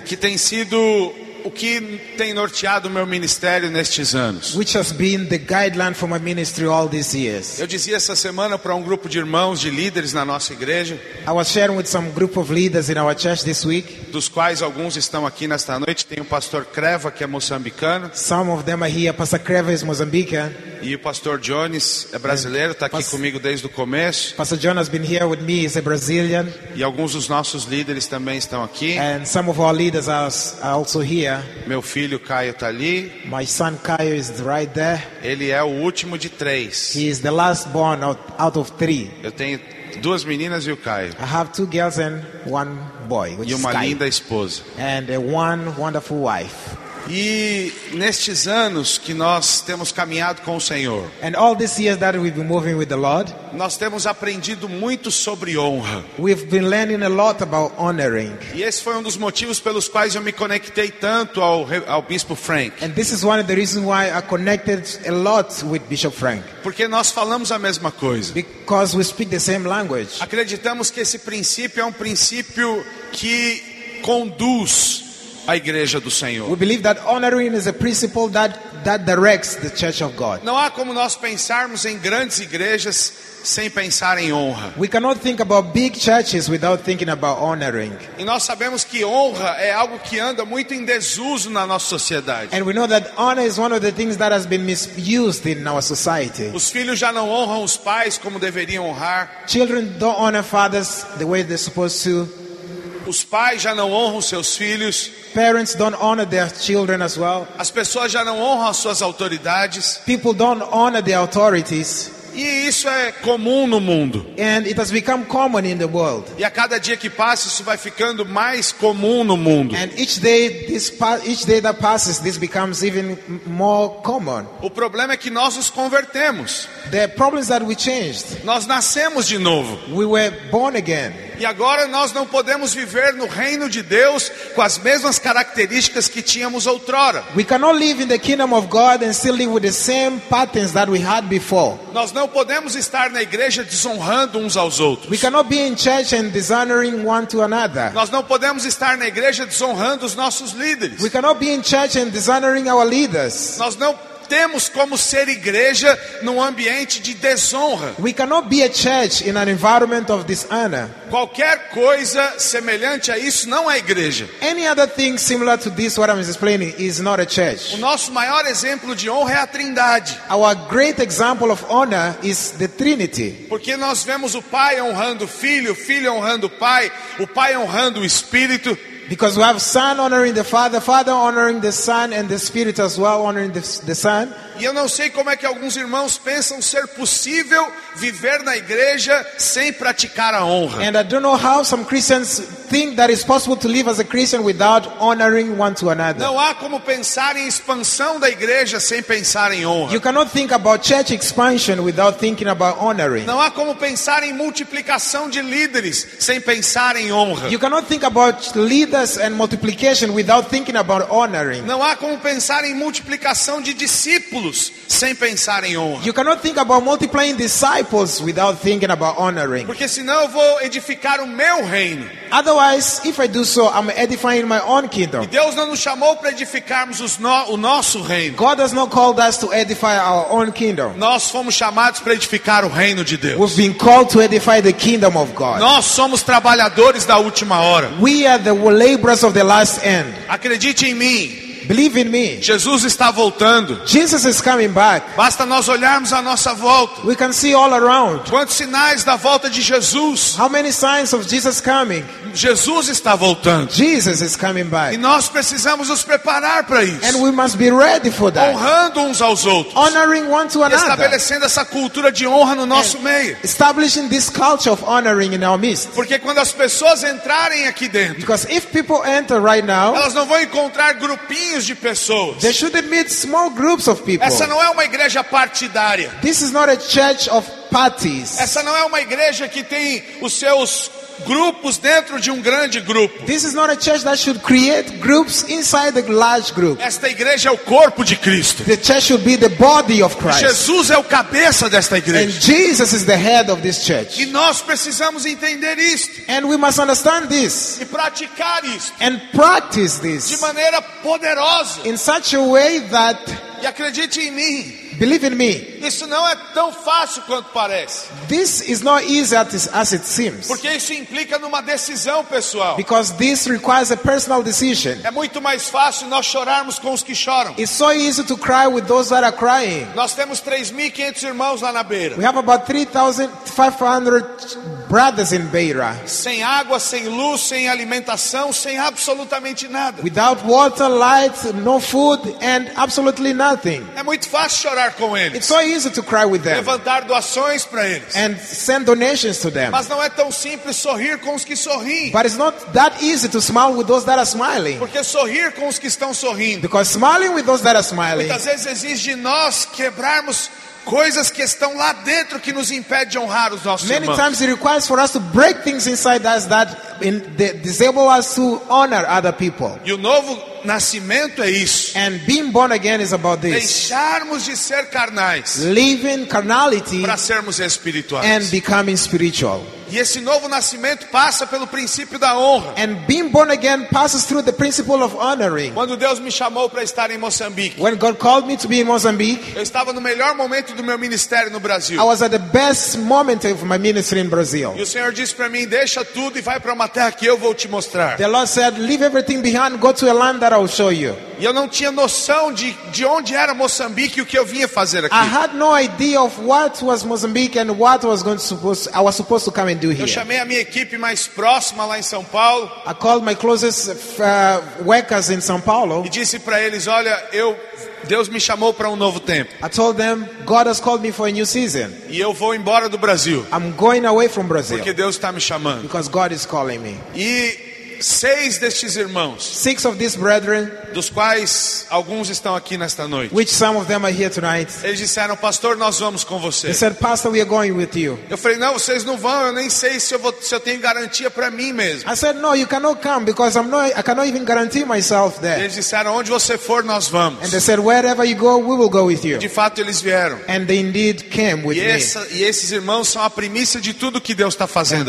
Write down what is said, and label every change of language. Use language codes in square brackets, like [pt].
[pt] Que tem sido o que tem norteado o meu ministério nestes anos. [en] Which has been the guideline for my ministry all these years. [pt] Eu dizia essa semana para um grupo de irmãos, de líderes na nossa igreja. [en] I was sharing with some group of leaders in our church this week. [pt] Dos quais alguns estão aqui nesta noite. Tem o pastor Creva, que é moçambicano. [en] Some of them are here. Pastor Creva is Mozambican. [pt] E o pastor Jones é brasileiro, está aqui comigo desde o começo. [en] Pastor John has been here with me, he's a Brazilian. [pt] E alguns dos nossos líderes também estão aqui. [en] And some of our leaders are also here. [pt] Meu filho Caio está ali. [en] My son Caio is right there. [pt] Ele é o último de 3. [en] He is the last born out of 3. [pt] Eu tenho 2 meninas e o Caio. [en] I have 2 girls and 1 boy, which [pt] e uma [en] is [pt] linda esposa. [en] And a one wonderful wife. [pt] E nestes anos que nós temos caminhado com o Senhor, [en] and all these years that we've been moving with the Lord, [pt] nós temos aprendido muito sobre honra. [en] We've been learning a lot about honoring. [pt] E esse foi um dos motivos pelos quais eu me conectei tanto ao Bispo Frank. [en] And this is one of the reasons why I connected a lot with Bishop Frank. [pt] Porque nós falamos a mesma coisa. [en] Because we speak the same language. [pt] Acreditamos que esse princípio é um princípio que conduz a igreja do Senhor. [en] We believe that honoring is a principle that directs the church of God. [pt] Não há como nós pensarmos em grandes igrejas sem pensar em honra. [en] We cannot think about big churches without thinking about honoring. [pt] E nós sabemos que honra é algo que anda muito em desuso na nossa sociedade. [en] And we know that honor is one of the things that has been misused in our society. [pt] Os filhos já não honram os pais como deveriam honrar. [en] Children don't honor fathers the way they're supposed to. [pt] Os pais já não honram seus filhos. [en] Parents don't honor their children as well. [pt] As pessoas já não honram as suas autoridades. [en] People don't honor their authorities. [pt] E isso é comum no mundo. [en] And it has become common in the world. [pt] E a cada dia que passa, isso vai ficando mais comum no mundo. [en] And each day that passes, this becomes even more common. [pt] O problema é que nós nos convertemos. [en] The problem is that we changed. [pt] Nós nascemos de novo. [en] We were born again. [pt] E agora nós não podemos viver no reino de Deus com as mesmas características que tínhamos outrora. [en] We cannot live in the kingdom of God and still live with the same patterns that we had before. [pt] Nós não podemos estar na igreja desonrando uns aos outros. [en] We cannot be in church and dishonoring one to another. [pt] Nós não podemos estar na igreja desonrando os nossos líderes. [en] We cannot be in church and dishonoring our leaders. [pt] Nós não temos como ser igreja num ambiente de desonra. [en] We cannot be a church in an environment of dishonor. [pt] Qualquer coisa semelhante a isso não é igreja. [en] Any other thing similar to this what I'm explaining is not a church. [pt] O nosso maior exemplo de honra é a Trindade. [en] Our great example of honor is the Trinity. [pt] Porque nós vemos o Pai honrando o Filho honrando o Pai honrando o Espírito. [en] Because we have Son honoring the Father, Father honoring the Son, and the Spirit as well honoring the Son. [pt] E eu não sei como é que alguns irmãos pensam ser possível viver na igreja sem praticar a honra. [en] And I don't know how some Christians think that it's possible to live as a Christian without honoring one to another. [pt] Não há como pensar em expansão da igreja sem pensar em honra. [en] You cannot think about church expansion without thinking about honoring. [pt] Não há como pensar em multiplicação de líderes sem pensar em honra. [en] You cannot think about leaders and multiplication without thinking about honoring. [pt] Não há como pensar em multiplicação de discípulos sem pensar em honra. [en] You cannot think about multiplying disciples without thinking about honoring. [pt] Porque senão eu vou edificar o meu reino. [en] Otherwise, if I do so, I'm edifying my own kingdom. [pt] E Deus não nos chamou para edificarmos o nosso reino. [en] God has not called us to edify our own kingdom. [pt] Nós fomos chamados para edificar o reino de Deus. [en] We've been called to edify the kingdom of God. [pt] Nós somos trabalhadores da última hora. [en] We are the laborers of the last end. [pt] Acredite em mim. [en] Believe in me. [pt] Jesus está voltando. [en] Jesus is coming back. [pt] Basta nós olharmos à nossa volta. [en] We can see all around. [pt] Quantos sinais da volta de Jesus? [en] How many signs of Jesus coming? [pt] Jesus está voltando. [en] Jesus is coming back. [pt] E nós precisamos nos preparar para isso. [en] And we must be ready for that. [pt] Honrando uns aos outros. [en] Honoring one to another. [pt] E estabelecendo essa cultura de honra no nosso meio. [en] Establishing this culture of honoring in our midst. [pt] Porque quando as pessoas entrarem aqui dentro, [en] because if people enter right now, [pt] elas não vão encontrar grupinhos de pessoas. [en] They should meet small groups of people. [pt] Essa não é uma igreja partidária. [en] This is not a church of parties. [pt] Essa não é uma igreja que tem os seus grupos dentro de grande grupo. [en] This is not a church that should create groups inside a large group. [pt] Esta igreja é o corpo de Cristo. [en] The church should be the body of Christ. [pt] Jesus é o cabeça desta igreja. [en] And Jesus is the head of this church. [pt] E nós precisamos entender isto. [en] And we must understand this. [pt] E praticar isto. [en] And practice this. [pt] De maneira poderosa. [en] In such a way that. [pt] E acredite em mim. [en] Believe in me. [pt] Isso não é tão fácil quanto parece. [en] This is not easy as it seems. [pt] Porque isso implica numa decisão pessoal. [en] Because this requires a personal decision. [pt] É muito mais fácil nós chorarmos com os que choram. [en] It's so easy to cry with those that are crying. [pt] Nós temos 3.500 irmãos lá na beira. [en] We have about 3,500 brothers in Beira. [pt] Sem água, sem luz, sem alimentação, sem absolutamente nada. [en] Without water, light, no food, and absolutely nothing. [pt] É muito fácil chorar com eles. [en] It's so easy to cry with them. [pt] Levantar doações para eles. [en] And send donations to them. [pt] Mas não é tão simples sorrir com os que sorriem. [en] But it's not that easy to smile with those that are smiling. [pt] Porque sorrir com os que estão sorrindo. [en] Because smiling with those that are smiling. [pt] Muitas vezes exige de nós quebrarmos coisas que estão lá dentro que nos impede de honrar os nossos [en] Many [pt] irmãos. [en] Times it requires for us to break things inside us that disable us to honor other people. [pt] E o novo nascimento é isso. [en] And being born again is about this. [pt] Deixarmos de ser carnais. [en] Leaving carnality. [pt] Para sermos espirituais. [en] And becoming spiritual. [pt] E esse novo nascimento passa pelo princípio da honra. [en] And being born again passes through the principle of honoring. [pt] Quando Deus me chamou para estar em Moçambique. [en] When God called me to be in Mozambique. [pt] Eu estava no melhor momento do meu ministério no Brasil. [en] I was at the best moment of my ministry in Brazil. [pt] E o Senhor disse para mim, deixa tudo e vai para uma terra que eu vou te mostrar. [en] The Lord said, leave everything behind, go to a land that I'll show you. [pt] E eu não tinha noção de onde era Moçambique e o que eu vinha fazer aqui. [en] I had no idea of what was Mozambique and what was going to supposed, I was supposed to come and do here. [pt] Eu chamei a minha equipe mais próxima lá em São Paulo. [en] I called my closest workers in São Paulo. [pt] E disse para eles, olha, eu Deus me chamou para novo tempo. [en] I told them God has called me for a new season. [pt] E eu vou embora do Brasil. [en] I'm going away from Brazil. [pt] Porque Deus está me chamando. [en] Because God is calling me. [pt] E seis destes irmãos, [en] six of these brethren, [pt] dos quais alguns estão aqui nesta noite, [en] which some of them are here tonight, [pt] eles disseram, pastor, nós vamos com você. [en] They said, pastor, we are going with you. [pt] Eu falei, não, vocês não vão, eu nem sei se eu vou, se eu tenho garantia para mim mesmo. [en] I said, no, you cannot come because I cannot even guarantee myself there. [pt] Eles disseram, onde você for, nós vamos. [en] And they said, wherever you go, we will go with you. [pt] E de fato, eles vieram. [en] And they indeed came with [pt] e [en] essa, me. [pt] E esses irmãos são a primícia de tudo que Deus está fazendo